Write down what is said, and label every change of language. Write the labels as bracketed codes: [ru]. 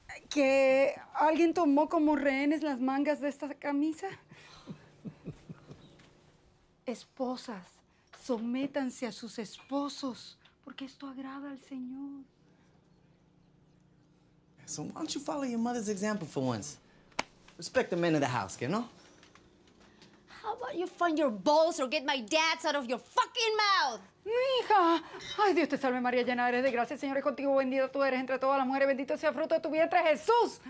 [es] Que alguien tomó como rehenes las mangas de esta camisa. Esposas, sométanse a sus esposos, porque esto agrada al Señor. [en] So why don't you follow your mother's example for once? Respect the men of the house, you know? How about you find your balls or get my dad's out of your fucking mouth? [es] Mija, ay, Dios te salve, María, llena eres de gracia, el Señor es contigo, bendita tú eres entre todas las mujeres, bendito sea fruto de tu vientre, Jesús.